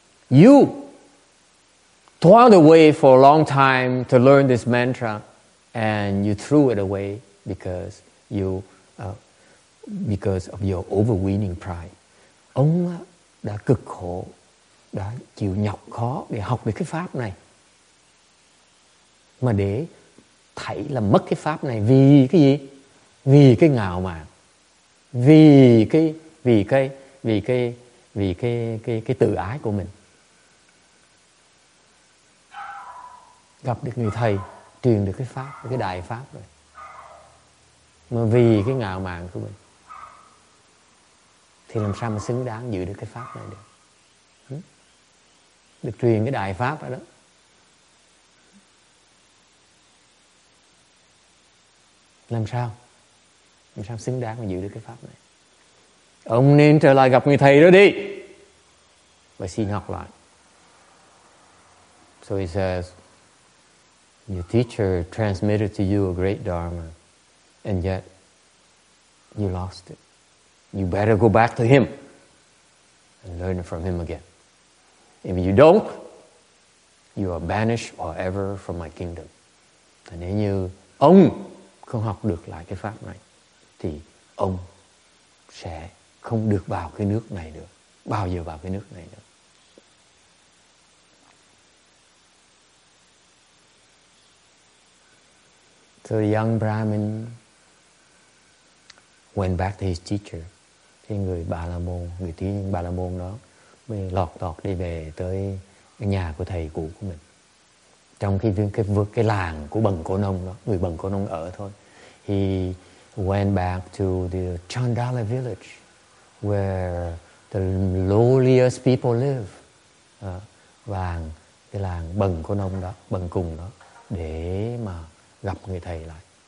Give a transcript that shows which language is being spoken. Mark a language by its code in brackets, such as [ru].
[en] you toiled away for a long time to learn this mantra, and you threw it away because of your overweening pride. [vi] Ông đã cực khổ, đã chịu nhọc khó để học được cái pháp này, mà để thảy là mất cái pháp này vì cái gì? Vì cái ngạo mạn, vì cái tự ái của mình. Gặp được người thầy, truyền được cái pháp, cái đại pháp rồi, mà vì cái ngạo mạn của mình, thì làm sao mà xứng đáng giữ được cái pháp này được? Được truyền cái đại pháp đó. Làm sao xứng đáng mà giữ được cái pháp này? Ông nên trở lại gặp người thầy đó đi, và xin học lại. [en] So he says, your teacher transmitted to you a great dharma, and yet you lost it. You better go back to him and learn from him again. If you don't, you are banished forever from my kingdom. [vi] Nếu như ông không học được lại cái pháp này, thì ông sẽ không được vào cái nước này nữa, bao giờ vào cái nước này nữa. [en] So the young Brahmin went back to his teacher. [vi] Cái người Bà La Môn, người thí Bà La Môn đó mới lọt tọt đi về tới nhà của thầy cũ của mình. Trong cái làng của Bần Cổ Nông đó, người Bần Cổ Nông ở thôi. [en] He went back to the Chandala village where the lowliest people live. [vi] Và cái làng Bần Cổ Nông đó, Bần Cùng đó, để mà gặp người thầy lại.